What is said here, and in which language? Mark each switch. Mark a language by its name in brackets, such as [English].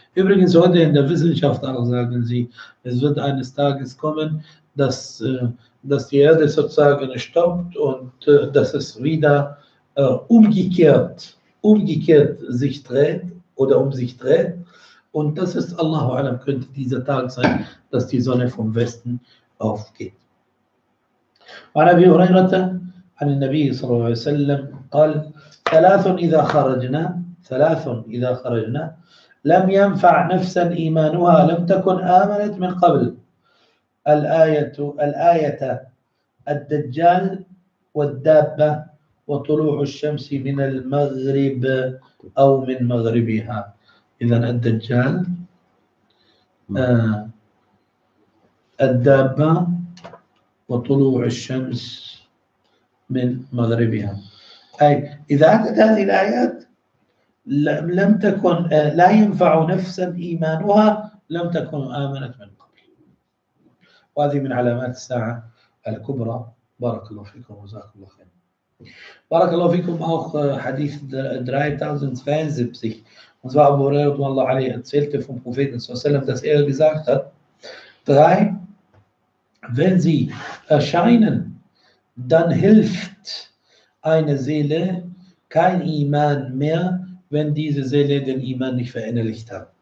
[German] Übrigens heute in der Wissenschaft auch sagen sie, es wird eines Tages kommen, dass die Erde sozusagen stoppt und dass es wieder umgekehrt sich dreht oder um sich dreht. Und das ist, Allahu a'lam, könnte dieser Tag sein, dass die Sonne vom Westen aufgeht. [Arabic] وعن أبي هريرة عن النبي صلى الله عليه وسلم قال ثلاث إذا خرجنا لم ينفع نفسا إيمانها، لم تكن آمنت من قبل. الآية الدجال والدابة وطلوع الشمس من المغرب أو من مغربها. إذن الدجال، الدابة وطلوع الشمس من مغربها. أي إذا أتت هذه الآيات لم تكن، لا ينفع نفسا إيمانها لم تكن آمنت من قبل. وهذه من علامات الساعة الكبرى. بارك الله فيكم وزاك الله خير. بارك الله فيكم. أخ حديث 3072. [German] Und zwar Abu Huraira radhiyallahu anhu erzählte vom Propheten sallallahu alaihi wasallam, dass er gesagt hat: Drei, wenn sie erscheinen, dann hilft eine Seele kein Iman mehr, wenn diese Seele den Iman nicht verinnerlicht hat.